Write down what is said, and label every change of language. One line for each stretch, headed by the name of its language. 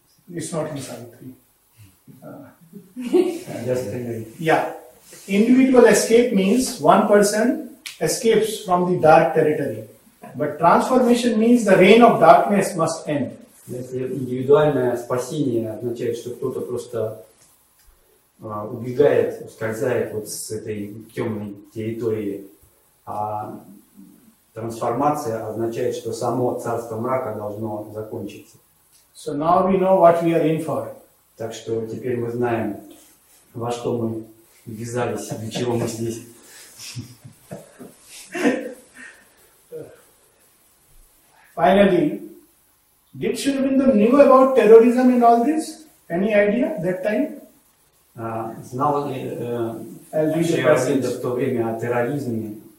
English: It's not in Savitri. Yeah. Individual escape means one person escapes from the dark territory, but transformation means the reign of darkness must end.
Russian: Индивидуальное спасение означает, что кто-то просто убегает, ускользает вот с этой темной территории. А трансформация означает, что само царство мрака должно закончиться.
English: So now we know what we are in for.
Russian: Так что теперь мы знаем, во что мы ввязались, для чего мы здесь.
English: Finally, did Shrivindam knew about terrorism in all this? Any idea that time?
Russian: Знал ли Шривинда в то время о терроризме?